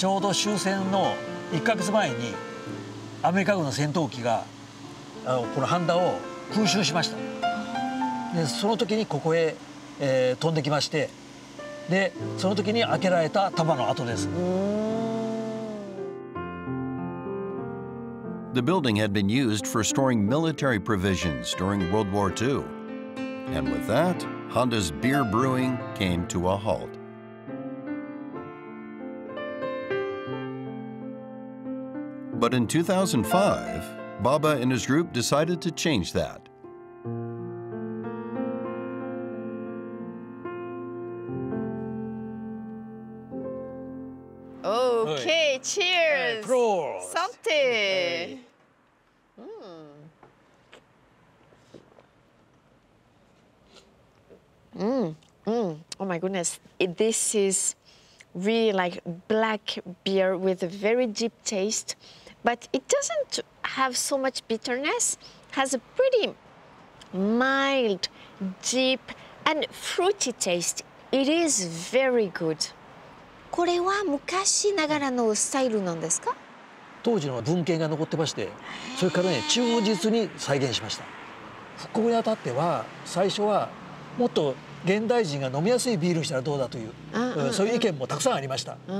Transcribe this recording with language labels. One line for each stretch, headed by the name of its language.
Japanese: ちょうど終戦の1ヶ月前にアメリカ軍の戦闘機がこのハンダを空襲しました。でその時にここへ、飛んできまして、でその時に開けられた弾の跡です。
English: The building had been used for storing military provisions during World War II. And with that, Honda's beer brewing came to a halt. But in 2005, Baba and his group decided to change that. Okay, cheers!
German: Prost!
French: Sante!
English: Oh my goodness, this is really like black beer with a very deep taste. But it doesn't have so much bitterness. It has a pretty mild, deep, and fruity taste. It is very good.
Japanese: これは昔ながらのスタイルなんですか？当時の文献が残ってまして、それからね、忠実に再現しました。復興にあたっては、最初はもっと現代人が飲みやすいビールにしたらどうだという、そういう意見もたくさんありました。